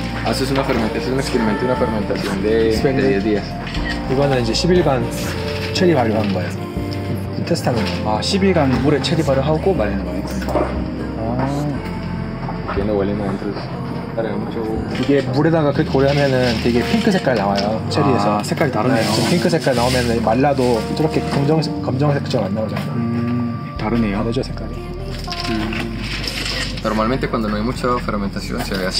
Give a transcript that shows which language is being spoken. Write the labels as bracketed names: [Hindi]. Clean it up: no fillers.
[Spanish] eso es una fermentación, es un experimento, una fermentación de 10 días. [Korean] 이거는 이제 10일간 체리 발효한 거예요. 테스트하는 거예요. 아, 10일간 물에 체리 발효하고 말리는 거예요. 아. [Spanish] Tiene huele mucho. [Korean] 이게 물에다가 그렇게 고려하면은 되게 핑크 색깔 나와요. 체리에서. 아, 색깔이 다르네요. 네, 핑크 색깔 나오면은 말라도 저렇게 검정색처럼 안 나오잖아요. 다르네요. 다르죠, 색깔이. [Spanish] Normalmente cuando no hay mucha fermentación se ve así.